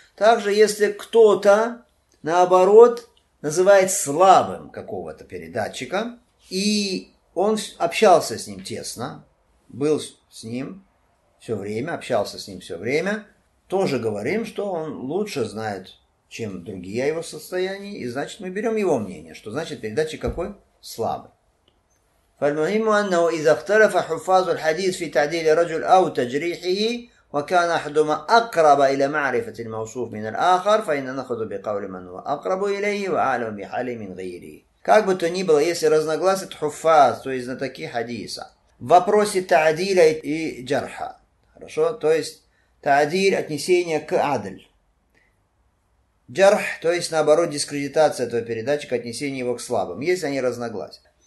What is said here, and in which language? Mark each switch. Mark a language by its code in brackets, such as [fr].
[ru] Также, если кто-то, наоборот, называет слабым какого-то передатчика, и он общался с ним тесно, был с ним все время, общался с ним все время, тоже говорим, что он лучше знает, чем другие о его состоянии, и значит, мы берем его мнение, что значит передатчик какой? Слабый. [ar] فالمهم أنه إذا اختلف حفاظ الحديث في تعديل رجل أو تجريحه وكان أحدهما أقرب إلى معرفة الموصوف من الآخر فإن نأخذ بقول من هو أقرب إليه وعالم بحاله من غيره. [ru] Как бы то ни было, если разногласит хуфаз, то есть знатоки хадиса, в вопросе таадиля и джарха, хорошо, то есть таадиль, отнесение к адль, джарх, то есть наоборот дискредитация этого передатчика, отнесение его к слабым, если они разногласят.